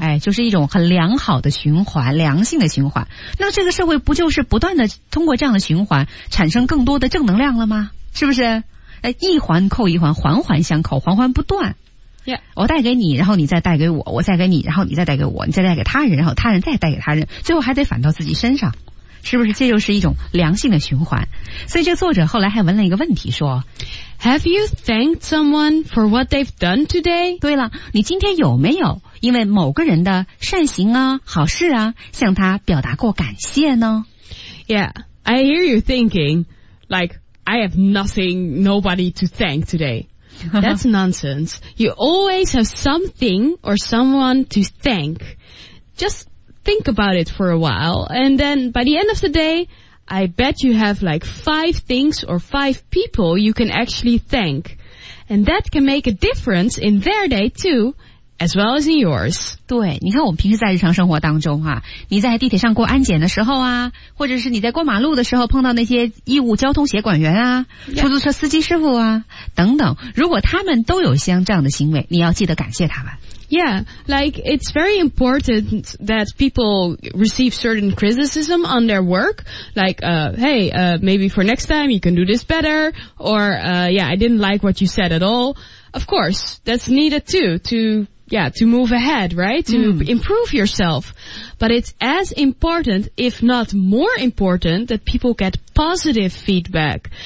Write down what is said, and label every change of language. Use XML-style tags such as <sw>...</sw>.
<zh>哎、就是一种很良好的循环良性的循环那这个社会不就是不断的通过这样的循环产生更多的正能量了吗是不是、哎、一环扣一环环环相扣环环不断、</zh> <en>yeah.</en> <zh>我带给你然后你再带给我我再给你然后你再带给我你再带给他人然后他人再带给他人最后还得反到自己身上是不是这就是一种良性的循环所以这作者后来还问了一个问题说</zh> <en>Have you thanked someone for what they've done today?</en> <zh>对了你今天有没有因为某个人的善行啊好事啊向他表达过感谢呢</zh> <en>Yeah, I hear you thinking like I have nothing, nobody to thank today That's nonsense You always have something or someone to thank JustThink about it for a while, and then by the end of the day, I bet you have like 5 things or 5 people you can actually thank. And that can make a difference in their day too, as well as in yours.</en> <zh>对，你看我们平时在日常生活当中啊，你在地铁上过安检的时候啊，或者是你在过马路的时候碰到那些义务交通协管员啊，出租车司机师傅啊，等等，如果他们都有像这样的行为，你要记得感谢他们。</zh> <en>Yeah, like it's very important that people receive certain criticism on their work. Like, hey, maybe for next time you can do this better. Or, yeah, I didn't like what you said at all. Of course, that's needed too to yeah, to move ahead, right? To improve yourself. But it's as important, if not more important, that people get positive feedback.</en>